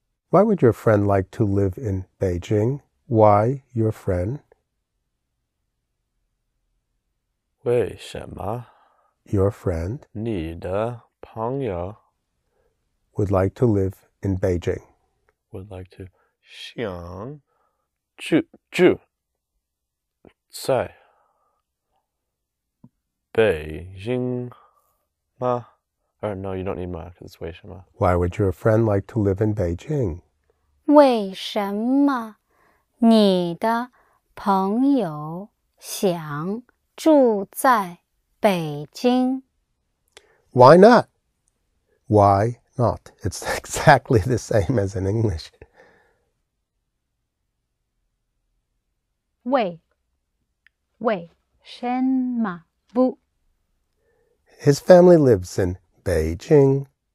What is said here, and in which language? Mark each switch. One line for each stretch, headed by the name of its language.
English: Why would your friend like to live in Beijing? Why your friend?
Chinese: 为什么?
English: Your friend.
Chinese: 你的朋友.
English: Would like to live in Beijing. would like to
Chinese: 想住住在北京吗?
English: Or no, you don't need 吗, because it's 为什么? Why would your friend like to live in Beijing?
Chinese: 为什么你的朋友想住在北京?
English: Why not? Why not? It's exactly the same as in English.
Chinese: 为什么不?
English: His family lives in Beijing.